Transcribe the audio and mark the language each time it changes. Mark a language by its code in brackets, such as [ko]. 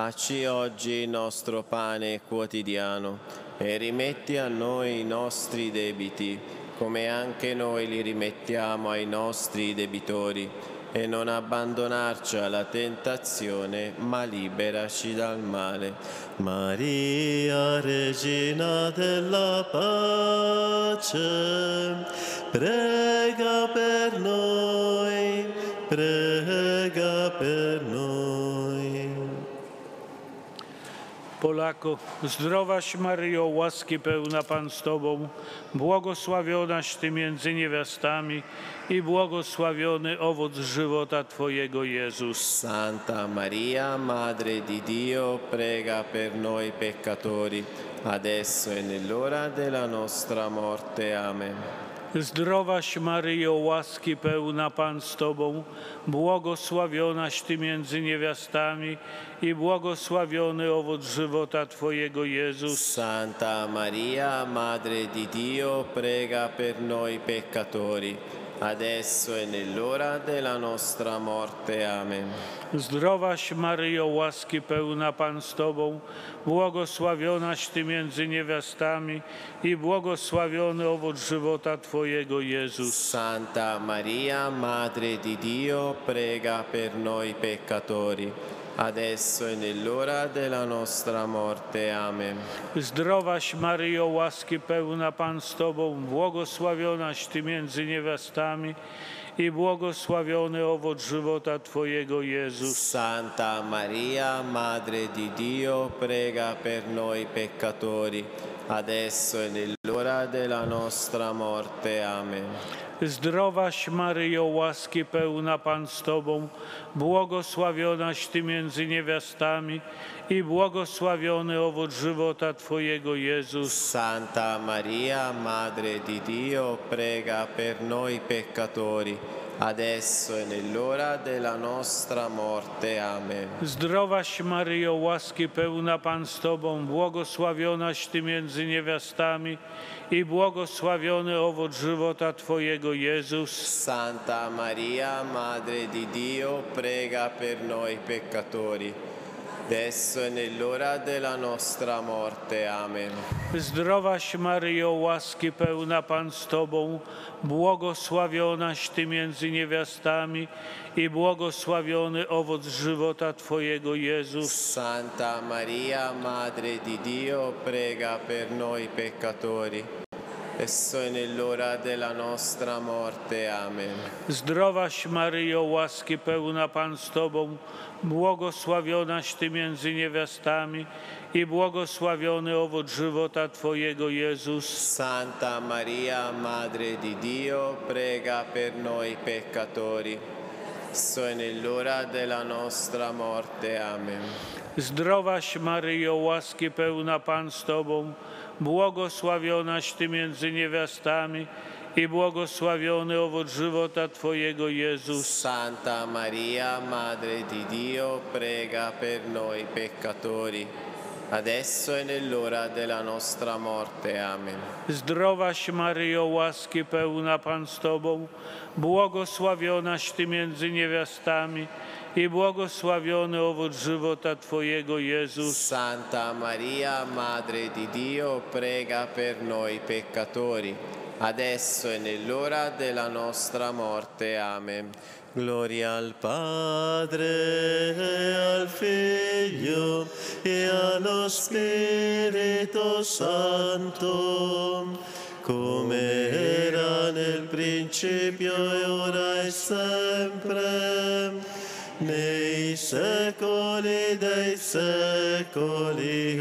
[it] Dacci oggi il nostro pane quotidiano e rimetti a noi i nostri debiti, come anche noi li rimettiamo ai nostri debitori, e non abbandonarci alla tentazione, ma liberaci dal male. Maria, Regina della Pace, prega per noi, prega per noi. [pl] Polaku, zdrowaś Maryjo, łaski pełna Pan z Tobą, błogosławionaś Ty między niewiastami i błogosławiony owoc żywota Twojego, Jezus. [it] Santa Maria, Madre di Dio, prega per noi peccatori, adesso e nell'ora della nostra morte. Amen. [pl] Zdrowaś Maryjo, łaski pełna Pan z Tobą, błogosławionaś Ty między niewiastami i błogosławiony owoc żywota Twojego, Jezus. [it] Santa Maria, Madre di Dio, prega per noi peccatori, adesso e nell'ora della nostra morte. Amen. [pl] Zdrowaś Maryjo, łaski pełna Pan z Tobą, błogosławionaś Ty między niewiastami i błogosławiony owoc żywota Twojego, Jezus. [it] Santa Maria, Madre di Dio, prega per noi peccatori, adesso e nell'ora della nostra morte. Amen. [pl] Zdrowaś Maryjo, łaski pełna Pan z Tobą, błogosławionaś Ty między niewiastami i błogosławiony owoc żywota Twojego, Jezus. [it] Santa Maria, Madre di Dio, prega per noi peccatori, adesso e nell'ora della nostra morte. Amen. [pl] Zdrowaś Maryjo, łaski pełna Pan z Tobą, błogosławionaś Ty między niewiastami i błogosławiony owoc żywota Twojego, Jezus. [it] Santa Maria, Madre di Dio, prega per noi peccatori, adesso e nell'ora della nostra morte. Amen. [pl] Zdrowaś Maryjo, łaski pełna Pan z Tobą, błogosławionaś Ty między niewiastami i błogosławiony owoc żywota Twojego, Jezus. [it] Santa Maria, Madre di Dio, prega per noi peccatori, adesso e nell'ora della nostra morte. Amen. [pl] Zdrowaś Maryjo, łaski pełna Pan z Tobą, błogosławionaś Ty między niewiastami i błogosławiony owoc żywota Twojego, Jezus. [it] Santa Maria, Madre di Dio, prega per noi peccatori. Adesso è nell'ora della nostra morte. Amen. [pl] Zdrowaś Maryjo, łaski pełna Pan z Tobą, błogosławionaś Ty między niewiastami i błogosławiony owoc żywota Twojego, Jezus. [it] Santa Maria, Madre di Dio, prega per noi peccatori. Adesso è nell'ora della nostra morte. Amen. [pl] Zdrowaś Maryjo, łaski pełna Pan z Tobą, błogosławionaś Ty między niewiastami i błogosławiony owoc żywota Twojego, Jezus. [it] Santa Maria, Madre di Dio, prega per noi peccatori, adesso e nell'ora della nostra morte. Amen. [pl] Zdrowaś Maryjo, łaski pełna Pan z Tobą, błogosławionaś Ty między niewiastami i błogosławiony owoc żywota Twojego, Jezus. [it] Santa Maria, Madre di Dio, prega per noi peccatori, adesso e nell'ora della nostra morte. Amen. Gloria al Padre, al Figlio e allo Spirito Santo, come era nel principio e ora è sempre, nei secoli dei secoli.